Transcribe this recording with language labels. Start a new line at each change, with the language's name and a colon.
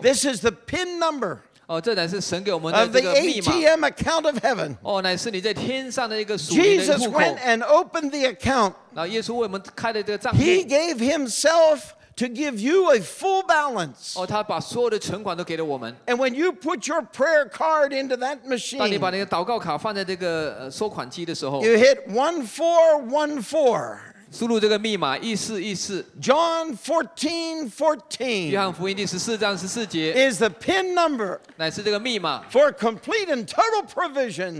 English: This is the PIN number.
Chinese: 哦，这乃是神给我们的这个密码。
English: Of the ATM account of heaven.
Chinese: 哦，乃是你在天上的一个属灵的户口。
English: Jesus went and opened the account.
Chinese: 然后耶稣为我们开了这个账户。
English: He gave himself. To give you a full balance.
Chinese: 哦，他把所有的存款都给了我们。
English: And when you put your prayer card into that machine,
Chinese: 当你把那个祷告卡放在这个收款机的时候
English: ，you hit 1414.
Chinese: 输入这个密码一四一四。
English: John 14:14.
Chinese: 约翰福音第十四章十四节。
English: Is the PIN number.
Chinese: 乃是这个密码。
English: For complete and total provision.